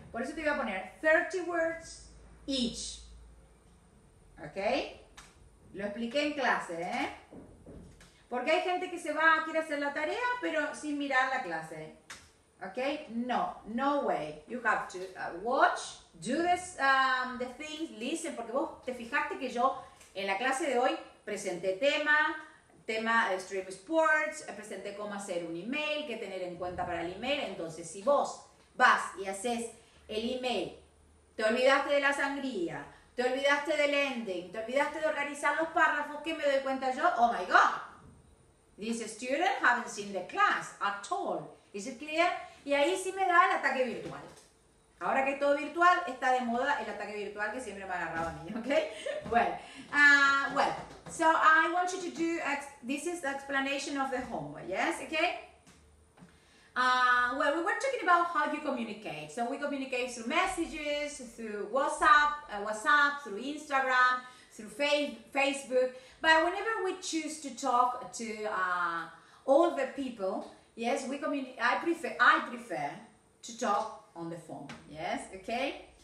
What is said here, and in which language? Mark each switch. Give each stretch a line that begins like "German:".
Spanish: Por eso te voy a poner 30
English: words each. Okay?
Spanish: Lo expliqué en clase, Porque hay gente que se va, quiere hacer la tarea, pero sin mirar la clase.
English: Okay? No way. You have to watch, do this, the things, listen.
Spanish: Porque vos te fijaste que yo en la clase de hoy presenté tema stream sports, presenté cómo hacer un email, qué tener en cuenta para el email. Entonces, si vos vas y haces el email, te olvidaste de la sangría, te olvidaste del ending, te olvidaste de organizar los párrafos, ¿qué me doy cuenta yo?
English: Oh my God. This student haven't seen the class at all. Is it clear?
Spanish: Y ahí sí me da el ataque virtual. Ahora que es todo virtual, está de moda el ataque virtual que siempre me ha agarrado a mí, okay?
English: Well, so I want you to do, this is the explanation of the homework, yes, okay? Well, we were talking about how you communicate. So we communicate through messages, through WhatsApp, through Instagram, through Facebook, but whenever we choose to talk to all the people, yes, I prefer to talk on the phone, yes, okay?